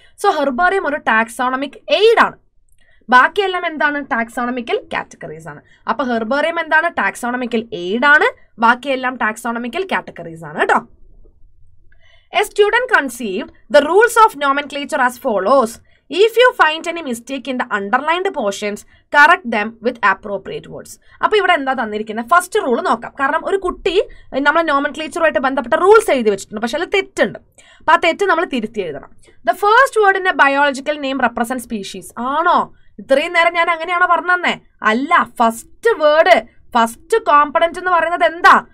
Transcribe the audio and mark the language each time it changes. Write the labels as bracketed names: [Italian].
[Malayalam] So herbarium ഒരു taxonomic എയ്ഡാണ്, ബാക്കിയെല്ലാം എന്താണ്? ടാക്സോണമിക്കൽ കാറ്റഗറീസ് ആണ്. അപ്പൊ ഹെർബേറിയം എന്താണ്? ടാക്സോണമിക്കൽ എയ്ഡാണ്, ബാക്കിയെല്ലാം ടാക്സോണമിക്കൽ കാറ്റഗറീസ് ആണ് കേട്ടോ. [English] A student conceived the rules of nomenclature as follows. If you find any mistake in the underlined portions, correct them with appropriate words. [Malayalam] അപ്പൊ ഇവിടെ എന്താ തന്നിരിക്കുന്നത്? ഫസ്റ്റ് റൂൾ നോക്കാം. കാരണം ഒരു കുട്ടി നമ്മളെ നോമൻക്ലേച്ചറുമായിട്ട് ബന്ധപ്പെട്ട റൂൾസ് എഴുതി വെച്ചിട്ടുണ്ട്, പക്ഷെ അതിൽ തെറ്റുണ്ട്. അപ്പൊ ആ തെറ്റ് നമ്മൾ തിരുത്തി എഴുതണം. [English] The first word in a biological name represent species ആണോ? [Malayalam] ഇത്രയും നേരം ഞാൻ അങ്ങനെയാണ് പറഞ്ഞതന്നെ അല്ല. ഫസ്റ്റ് വേർഡ്, ഫസ്റ്റ് കോമ്പണന്റ് എന്ന് പറയുന്നത് എന്താ?